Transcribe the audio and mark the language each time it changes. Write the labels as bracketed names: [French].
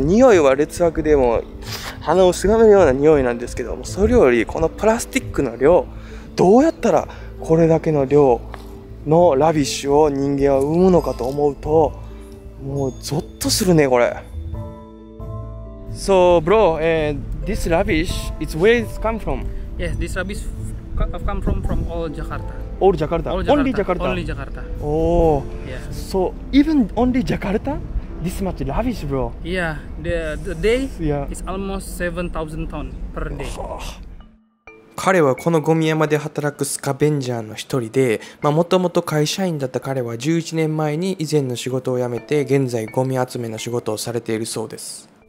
[Japanese] 匂いは劣悪でも鼻をすがめるような匂いなんですけども、それよりこのプラスチックの量、どうやったらこれだけの量のラビッシュを人間は生むのかと思うと、もうゾッとするねこれ。 [English] So bro, this rabbish, it's where it's come from? Yes, this rabbish come from all Jakarta. All Jakarta? Only Jakarta? Only Jakarta. Oh, yeah. So even only Jakarta? This much rubbish, bro. Yeah, the day is almost 7,000 ton per day. [Japanese] 彼はこのゴミ山で働くスカベンジャーの一人で、まあ、元々会社員だった彼は11年前に以前の仕事を辞めて、現在ゴミ集めの仕事をされているそうです。